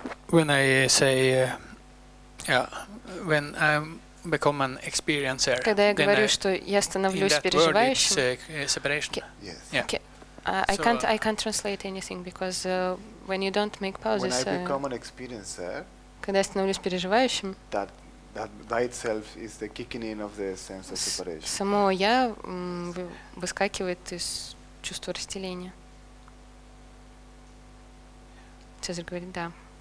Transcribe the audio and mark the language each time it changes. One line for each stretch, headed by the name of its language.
English: When I say, when I become an experiencer,
Russian: когда я говорю, что я становлюсь переживающим,
English: in that word it's separation. Yes. Yeah. Okay. I can't translate anything because when you don't make pauses. When I become an experiencer.
Russian: Когда я становлюсь переживающим.
English: That itself is the kicking in of the sense of separation.
Russian: Само я выскакивает из чувства разделения. Цезарь говорит да.